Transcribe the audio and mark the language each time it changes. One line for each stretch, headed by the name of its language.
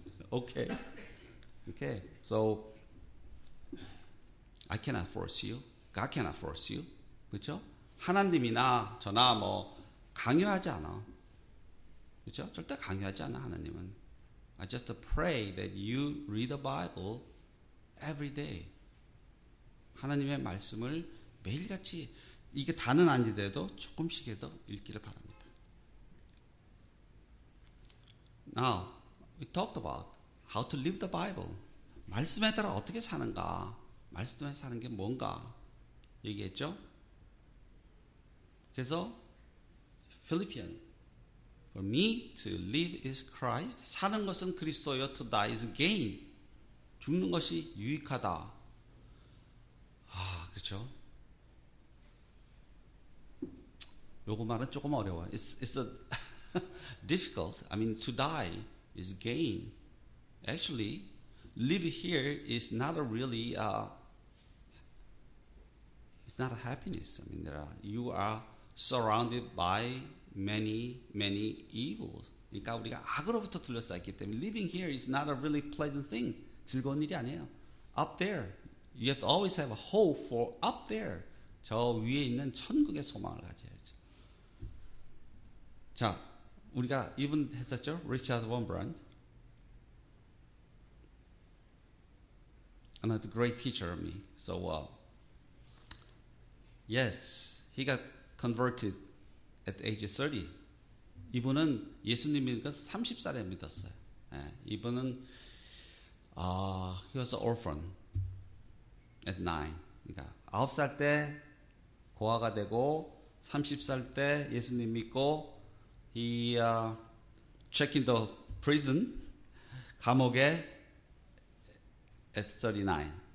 English: Okay. So I cannot force you. God cannot force you.
Korean: 그죠? 하나님이나 저나 뭐 강요하지 않아. 그죠? 절대 강요하지 않아, 하나님은.
English: I just pray that you read the Bible every day.
Korean: 하나님의 말씀을 매일같이, 이게 다는 아니더라도 조금씩이라도 읽기를 바랍니다.
English: Now, we talked about how to live the Bible.
Korean: 말씀에 따라 어떻게 사는가, 말씀에 사는 게 뭔가 얘기했죠? 그래서,
English: Philippians, for me to live is Christ,
Korean: 사는 것은 그리스도요,
English: to die is gain,
Korean: 죽는 것이 유익하다. 아, 그렇죠? 요거 말은 조금 어려워.
English: It's difficult. I mean, to die is gain. Actually, live here is not a really, it's not a happiness. I mean, you are surrounded by many evils.
Korean: 그러니까 우리가 악으로부터 둘러싸였기 때문에
English: living here is not a really pleasant thing.
Korean: 즐거운 일이 아니에요.
English: Up there, you have to always have a hope for up there.
Korean: 저 위에 있는 천국의 소망을 가져야죠. 자, 우리가 이분 했었죠? Richard von Brandt.
English: Another great teacher of me. So, yes, he got converted at the age of 30.
Korean: 이분은 예수님이니까 30살에 믿었어요. 예, 이분은
English: he was an orphan at 9.
Korean: 그러니까 9살 때 고아가 되고 30살 때 예수님 믿고
English: he checked in the prison
Korean: 감옥에 at 39.